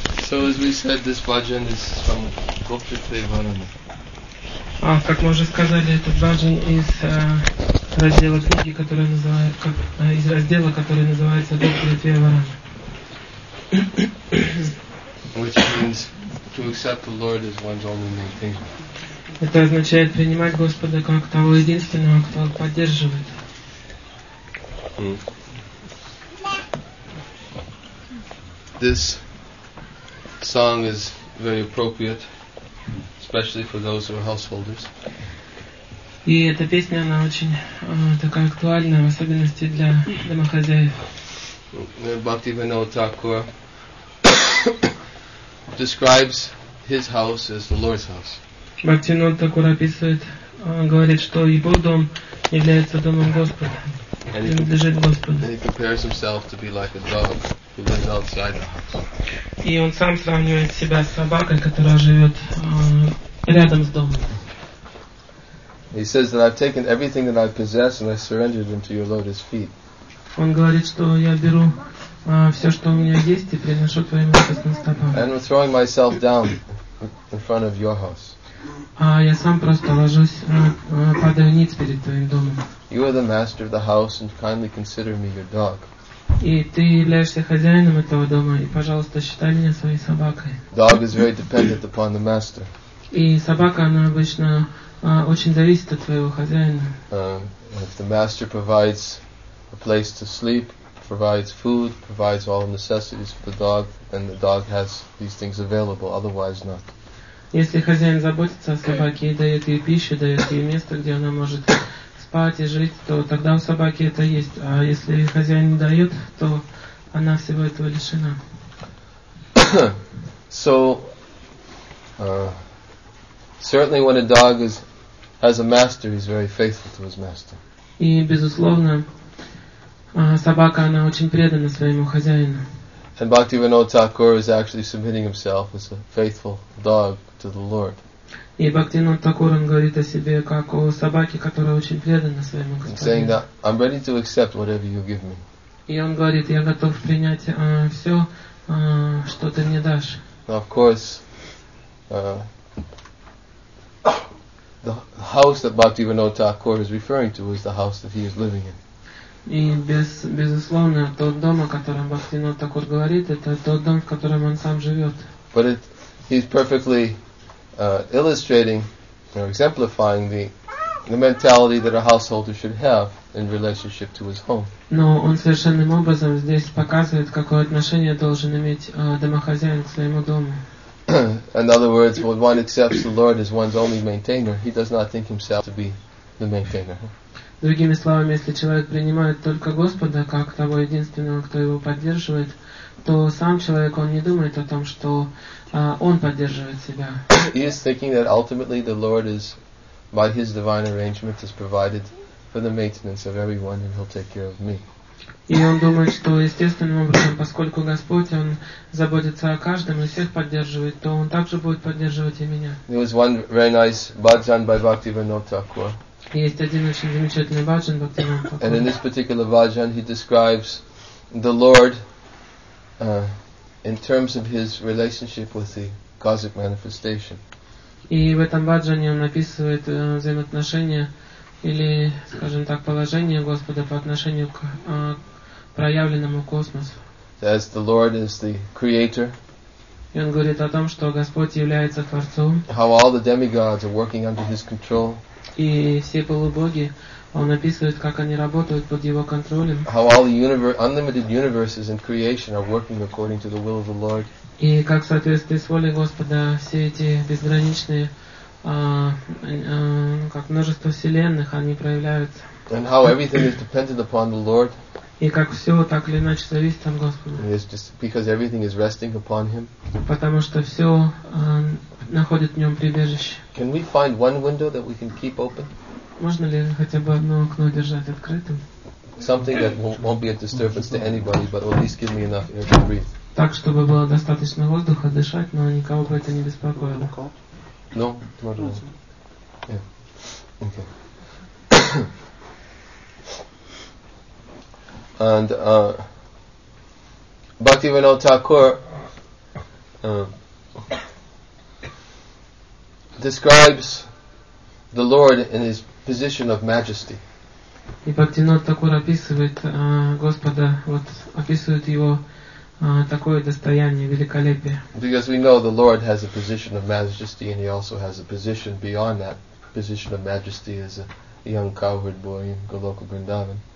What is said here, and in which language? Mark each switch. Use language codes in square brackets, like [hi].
[en] So as we said, this bhajan is from Gopi Trivarana. [ru] А, как мы уже сказали, этот бхаджан из раздела книги, который называется, как, из раздела, который называется Гопи Триварана. [en] Which means to accept the Lord as one's only maintainer. [ru] Это означает принимать Господа как того единственного, кто поддерживает. [en] This song is very appropriate, especially for those who are householders. [ru] И эта песня, она очень такая актуальна, в особенности для домохозяев. [en] Bhaktivinoda Thakur describes his house as the Lord's house. [ru] Bhaktivinoda Thakur описывает, говорит, что его дом является домом Господа. [en] And he compares himself to be like a dog who lives outside the house. [ru] И он сам сравнивает себя с собакой, которая живет рядом с домом. [en] He says that I've taken everything that I possess and I surrendered them to your lotus feet. [ru] Он говорит, что я беру все, что у меня есть, и приношу твоим лотосным стопам. [en] And I'm throwing myself down in front of your house. [ru] А я сам просто ложусь, падаю ниц перед твоим домом. [en] You are the master of the house and kindly consider me your dog. [ru] И ты являешься хозяином этого дома, и, пожалуйста, считай меня своей собакой. [en] Dog is very dependent upon the master. [ru] И собака, она обычно очень зависит от своего хозяина. [en] If the master provides a place to sleep, provides food, provides all necessities for the dog, then the dog has these things available, otherwise not. [ru] Если хозяин заботится о собаке и дает ей пищу, дает ей место, где она может спать и жить, то тогда у собаки это есть. А если хозяин не дает, то она всего этого лишена. [en] So, certainly when a dog is, has a master, he's very faithful to his master. [ru] И, безусловно, собака, она очень предана своему хозяину. [en] And Bhaktivinoda Thakur is actually submitting himself as a faithful dog to the Lord. [ru] И Бхактивинода Такур, он говорит о себе как о собаке, которая очень предана своему господину. [en] Saying that I'm ready to accept whatever you give me. [ru] И он говорит, я готов принять все, что ты мне дашь. [en] Now, of course, the house that Bhaktivinoda Thakur is referring to is the house that he is living in. [ru] И безусловно, тот дом, о котором Бхактивинода Такур говорит, это тот дом, в котором он сам живет. [en] But he's perfectly illustrating or exemplifying the mentality that a householder should have in relationship to his home. [ru] Но он совершенным образом здесь показывает, какое отношение должен иметь домохозяин к своему дому. [en] In other words, when one accepts the Lord as one's only maintainer, he does not think himself to be the maintainer. [ru] Другими словами, если человек принимает только Господа как того единственного, кто его поддерживает, то сам человек, он не думает о том, что он поддерживает себя. [en] He is thinking that ultimately the Lord is, by his divine arrangement, is provided for the maintenance of everyone and he'll take care of me. [ru] И он думает, что естественным образом, поскольку Господь, он заботится о каждом и всех поддерживает, то он также будет поддерживать и меня. [en] There was one very nice bhajan by Bhaktivinoda Thakur. [ru] Есть один очень замечательный бхаджан Бхактивинода Такура. [en] And in this particular bhajan, he describes the Lord in terms of his relationship with the cosmic manifestation. [ru] И в этом бхаджане он описывает взаимоотношения или, скажем так, положение Господа по отношению к проявленному космосу. [en] As the Lord is the creator. [ru] И он говорит о том, что Господь является творцом. [en] How all the demigods are working under his control. [ru] И все полубоги, он описывает, как они работают под его контролем. [en] How all the unlimited universes in creation are working according to the will of the Lord. [ru] И как в соответствии с волей Господа все эти безграничные, как множество вселенных, они проявляются. [en] And how everything is dependent upon the Lord. [ru] И как все так или иначе зависит от Господа. [en] It's just because everything is resting upon Him. [ru] Потому что все находит в нем прибежище. [en] Can we find one window that we can keep open? [ru] Можно ли хотя бы одно окно держать открытым? [en] Something that won't be a disturbance to anybody, but at least give me enough air to breathe. [ru] Так, чтобы было достаточно воздуха дышать, но никого бы это не беспокоило. [en] No, [ru] можно. [en] Yeah. Okay. And Bhaktivinoda Thakur describes the Lord in his position of majesty. [ru] И Бхактинот Такур описывает Господа, вот описывает его такое достояние, великолепие. [en] Because we know the Lord has a position of majesty, and he also has a position beyond that position of majesty as a young cowherd boy in Goloka Vrindavan.